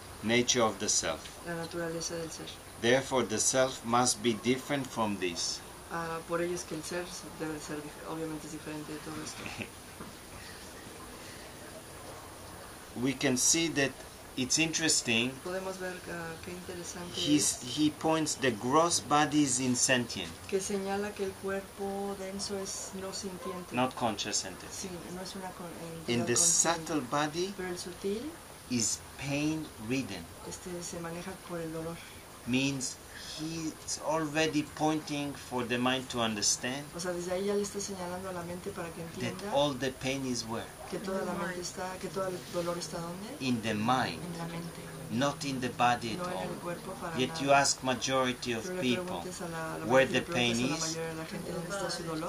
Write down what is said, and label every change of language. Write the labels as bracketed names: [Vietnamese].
[English] Nature of the self. [Spanish] La naturaleza del ser. [English] Therefore, the self must be different from this. [Spanish] Por ello es que el ser debe ser obviamente diferente de todo esto. [English] We can see that it's interesting. [Spanish] Podemos ver qué interesante. [English] He points the gross body is insentient. [Spanish] Que señala que el cuerpo denso es no sintiente. [English] Not conscious entity. [Spanish] Sí, no es una [English] in the subtle body. [Spanish] Pero el sutil [English] is pain ridden. [Spanish] Este se maneja por el dolor. [English] Means he's already pointing for the mind to understand. [Spanish] O sea, desde ahí ya le está señalando a la mente para que entienda. [English] That all the pain is where. [Spanish] Que toda la mente está, que todo el dolor está dónde? [English] In the mind. [Spanish] En la mente. [English] Not in the body at [Spanish] no [English] all. [Spanish] En el cuerpo para [English] yet [Spanish] nada. [English] You ask majority of people [Spanish] la [English] where the pain is. [Spanish] Dónde está su dolor.